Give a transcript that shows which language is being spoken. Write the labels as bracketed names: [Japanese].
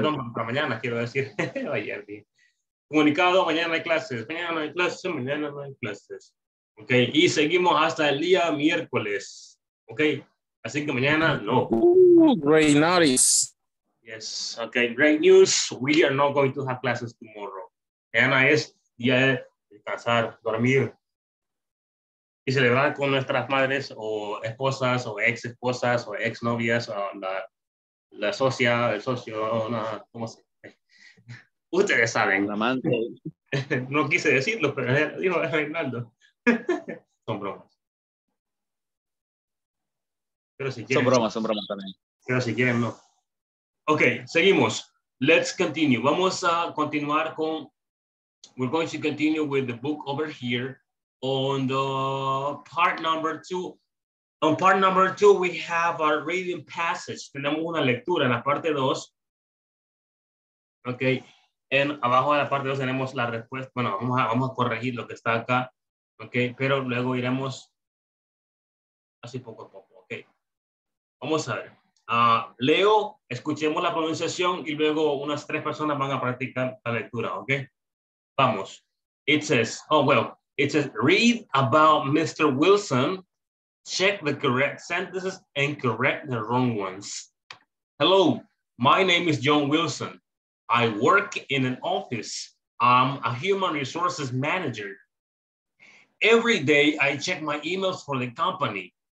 [Spanish] No, para mañana, quiero decir. Ayer. Bien. Comunicado, mañana no hay clases. Okay. Y seguimos hasta el día miércoles. Okay. Así que mañana, no. [English] Great notice. Yes, okay, great news. We are not going to have classes tomorrow. [Spanish] Mañana es día de descansar, dormir. Y celebrar con nuestras madres o esposas o ex esposas o ex novias o la socia, el socio, no, ¿cómo se dice? Ustedes saben. La amante. No quise decirlo, pero dijo Reinaldo. Son bromas. Pero si quieren. Son bromas también. Pero si quieren, no. Ok, seguimos. [English] Let's continue. [Spanish] Vamos a continuar con. [English] We're going to continue with the book over here on the part number two. On part number two, we have our reading passage. [Spanish] Tenemos una lectura en la parte dos. Ok, en abajo de la parte dos tenemos la respuesta. Bueno, vamos a corregir lo que está acá. Ok, pero luego iremos así poco a poco. Ok, vamos a ver. Leo, escuchemos la pronunciación y luego unas tres personas van a practicar la lectura, ¿ok? Vamos. [English] It says, read about Mr. Wilson, check the correct sentences and correct the wrong ones. Hello, my name is John Wilson. I work in an office. I'm a human resources manager. Every day I check my emails for the company.